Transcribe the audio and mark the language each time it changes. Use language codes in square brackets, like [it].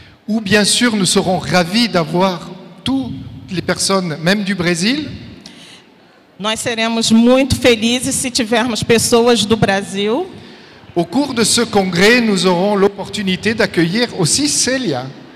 [fr] Où bien sûr nous serons ravis d'avoir toutes les personnes, même du Brésil. [pt] Nós seremos muito felizes se tivermos pessoas do Brasil. [fr] Au cours de ce congrès, nous aurons l'opportunité d'accueillir aussi Célia.